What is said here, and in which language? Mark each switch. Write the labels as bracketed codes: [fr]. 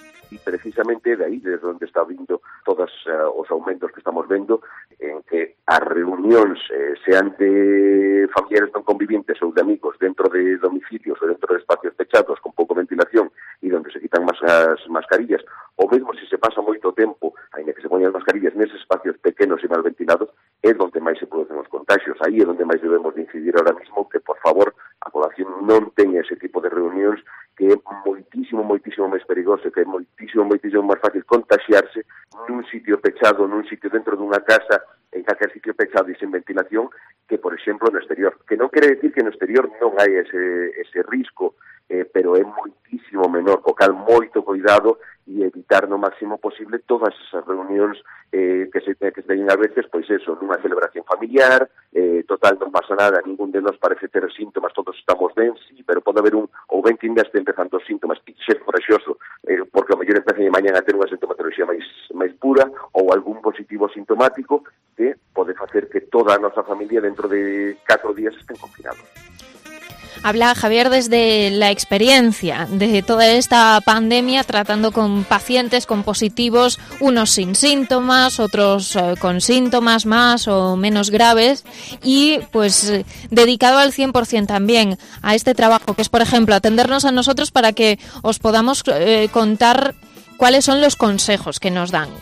[es] Y precisamente de ahí, desde donde está viendo todos los aumentos que estamos viendo, en que a reuniones, sean de familiares no convivientes o de amigos, dentro de domicilios o dentro de espacios techados con poco ventilación y donde se quitan más mascarillas, o mismo si se pasa mucho tiempo en el que se ponen las mascarillas en esos espacios pequeños y mal ventilados, es donde más se producen los contagios. Ahí es donde más debemos de incidir ahora mismo, que por favor la población no tenga ese tipo de reuniones, [gl] que é moitísimo, moitísimo máis perigoso, que é moitísimo, moitísimo máis fácil contagiarse nun sitio pechado, nun sitio dentro dunha casa, en calquer sitio pechado e sen ventilación, que, por exemplo, no exterior. Que non quere decir que no exterior non hai ese risco, pero é moitísimo menor, co cal moito cuidado e evitar no máximo posible todas esas reunións que se teñen a veces, pois eso, nunha celebración familiar, total, non pasa nada, ningún de nós parece ter síntomas, todos estamos ben, sí, pero pode haber un, ou ben que ainda este empezando os síntomas, e ser corexoso, porque o mellor empece de mañan a ter unha sintomatología máis pura, ou algún positivo sintomático, que pode facer que toda a nosa familia dentro de 4 días estén confinados. [es] Habla Javier desde la experiencia de toda esta pandemia, tratando con pacientes, con positivos, unos sin síntomas, otros con síntomas más o menos graves, y pues dedicado al 100% también a este trabajo, que es, por ejemplo, atendernos a nosotros para que os podamos contar cuáles son los consejos que nos dan.